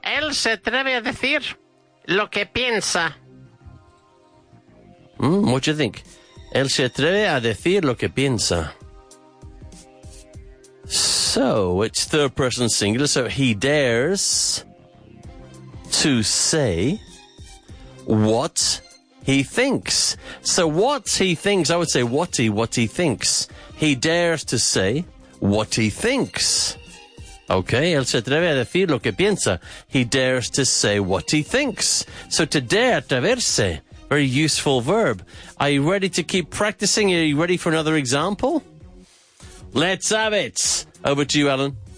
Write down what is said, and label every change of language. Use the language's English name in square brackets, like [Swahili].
[Spanish] Él se atreve a decir lo que piensa. [English] What do you think? [Spanish] Él se atreve a decir lo que piensa. [English] So, it's third person singular, so he dares to say what he thinks. So what he thinks, I would say what he thinks. He dares to say what he thinks. [Spanish] Okay, él se atreve a decir lo que piensa. [English] He dares to say what he thinks. So to dare, atreverse, very useful verb. Are you ready to keep practicing? Are you ready for another example? Let's have it. Over to you, Alan.